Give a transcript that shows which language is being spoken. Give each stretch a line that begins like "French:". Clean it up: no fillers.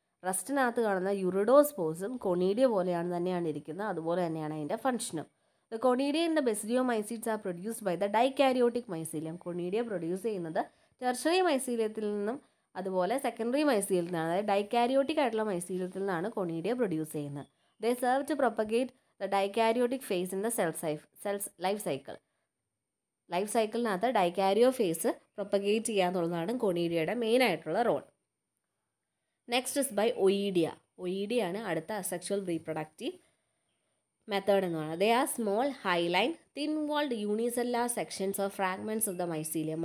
Malayalam: റസ്റ്റിനകത്ത് കാണുന്ന യുറിഡോസ്പോസും കൊണീഡിയ പോലെയാണ് തന്നെയാണ് ഇരിക്കുന്നത്. അതുപോലെ തന്നെയാണ് അതിൻ്റെ ഫംഗ്ഷനും.
English: The conidia in the basidiomycetes are produced by the dikaryotic mycelium.
Malayalam: Conidia produce ചെയ്യുന്നത് ടെർഷറി മൈസീലിയത്തിൽ നിന്നും അതുപോലെ സെക്കൻഡറി മൈസീലിയത്തിൽ നിന്നാണ്, അതായത് ഡൈകാരിയോട്ടിക് ആയിട്ടുള്ള മൈസീലിയത്തിൽ നിന്നാണ് കൊണീഡിയ പ്രൊഡ്യൂസ് ചെയ്യുന്നത്.
English: They serve to propagate the dikaryotic phase in the cell's life cycle.
Malayalam: Life സൈക്കിളിനകത്ത് ഡൈക്കാരിയോ face propagate ചെയ്യുക എന്നുള്ളതാണ് കൊണീഡിയയുടെ മെയിൻ ആയിട്ടുള്ള റോൾ.
English: Next is by oidia.
Malayalam: ഒയിഡിയ ആണ് അടുത്ത അസെക്ഷ്വൽ റീപ്രൊഡക്റ്റീവ് മെത്തേഡ് എന്ന് പറയുന്നത്.
English: They are small hyaline thin walled unicellular sections of fragments of the mycelium.